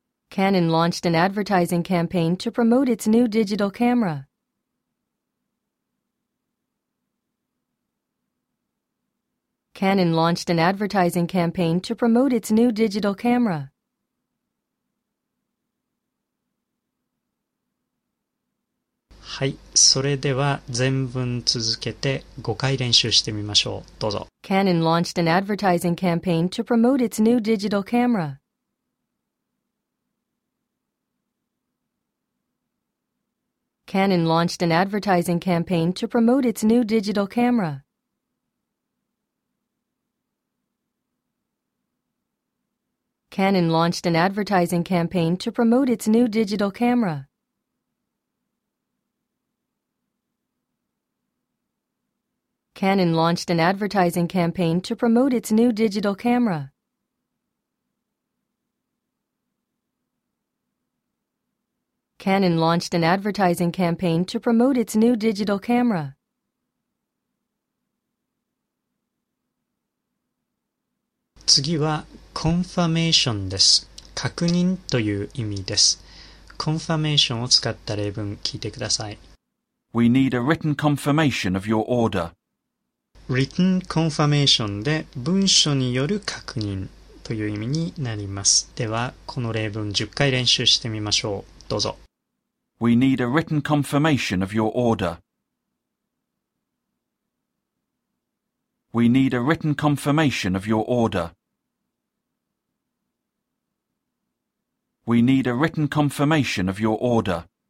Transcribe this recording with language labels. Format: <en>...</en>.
<en>Canon launched an advertising campaign to promote its new digital camera. Canon launched an advertising campaign to promote its new digital camera.</en> <ja>はい、それでは全文続けて5回練習してみましょう。どうぞ。</ja> <en>Canon launched an advertising campaign to promote its new digital camera. Canon launched an advertising campaign to promote its new digital camera. Canon launched an advertising campaign to promote its new digital camera. Canon launched an advertising campaign to promote its new digital camera. Canon launched an advertising campaign to promote its new digital camera.</en> <ja>Confirmation です。確認という意味です。 Confirmation を使った例文聞いてください。</ja> <en>We need a written confirmation of your order.</en> <ja>Written confirmation で文書による確認という意味になります。では、この例文10回練習してみましょう。どうぞ。</ja> <en>We need a written confirmation of your order. We need a written confirmation of your order. We need a written confirmation of your order.</en>